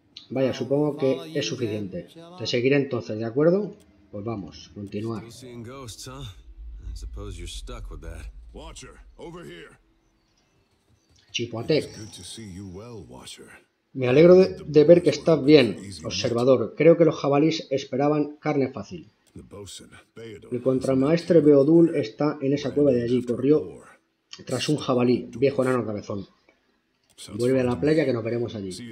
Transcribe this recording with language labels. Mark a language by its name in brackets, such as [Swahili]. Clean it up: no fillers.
[Spanish] Vaya, supongo que es suficiente. Te seguiré entonces, ¿de acuerdo? Pues vamos, continuar. [English] Still seeing ghosts, huh? I suppose you're stuck with that. Watcher, over here. Chipotec. Good to see you well, Watcher. [Spanish] Me alegro de ver que estás bien, observador. Creo que los jabalíes esperaban carne fácil. El contramaestre Beodul está en esa cueva de allí. Corrió tras un jabalí, viejo enano cabezón. Vuelve a la playa que nos veremos allí.